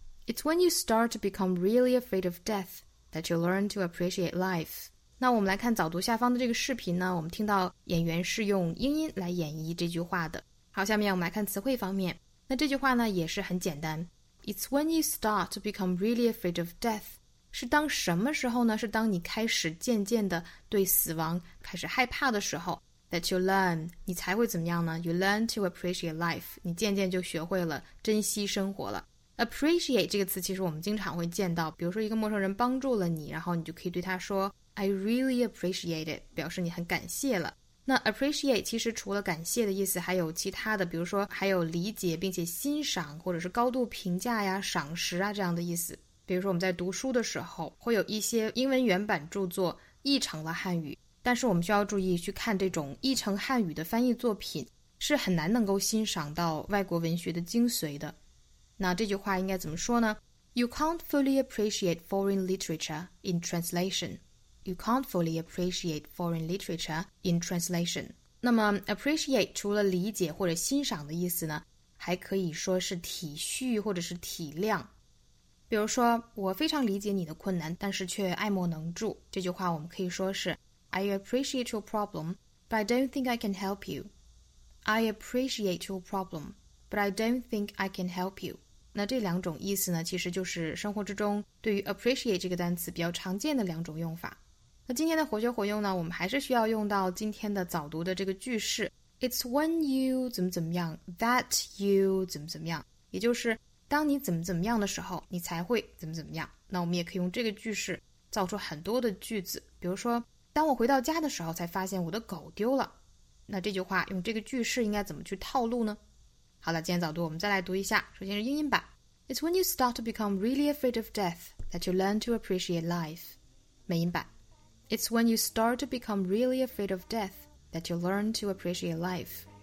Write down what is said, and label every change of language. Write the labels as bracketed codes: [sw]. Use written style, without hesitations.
[en] It's when you start to become really afraid of death that you learn to appreciate life. [zh] 那我们来看早读下方的这个视频呢，我们听到演员是用英音来演绎这句话的。好，下面我们来看词汇方面。那这句话呢，也是很简单。 [en] It's when you start to become really afraid of death. [zh] 是当什么时候呢？是当你开始渐渐的对死亡开始害怕的时候。 [en] That you learn, [zh] 你才会怎么样呢 [en] ？You learn to appreciate life. [zh] 你渐渐就学会了珍惜生活了。 Appreciate 这个词其实我们经常会见到，比如说一个陌生人帮助了你，然后你就可以对他说 [en] "I really appreciate it," [zh] 表示你很感谢了。那 appreciate 其实除了感谢的意思，还有其他的，比如说还有理解并且欣赏，或者是高度评价呀、赏识啊这样的意思。比如说我们在读书的时候，会有一些英文原版著作译成了汉语。但是我们需要注意去看这种译成汉语的翻译作品，是很难能够欣赏到外国文学的精髓的。那这句话应该怎么说呢 [en] ？You can't fully appreciate foreign literature in translation. You can't fully appreciate foreign literature in translation. [zh] 那么 appreciate 除了理解或者欣赏的意思呢，还可以说是体恤或者是体谅。比如说，我非常理解你的困难，但是却爱莫能助。这句话我们可以说是。 [en] I appreciate your problem, but I don't think I can help you. I appreciate your problem, but I don't think I can help you. [zh] 那这两种意思呢，其实就是生活之中对于 appreciate 这个单词比较常见的两种用法。那今天的活学活用呢，我们还是需要用到今天的早读的这个句式。 [en] It's when you [zh] 怎么怎么样 [en] ,that you 怎么怎么样。 [zh] 也就是当你怎么怎么样的时候，你才会怎么怎么样。那我们也可以用这个句式造出很多的句子，比如说当我回到家的时候才发现我的狗丢了。那这句话用这个句式应该怎么去套路呢？好了，今天早读我们再来读一下。首先是英音吧。 [en] It's when you start to become really afraid of death that you learn to appreciate life. [zh] 美音版。 [en] It's when you start to become really afraid of death that you learn to appreciate life.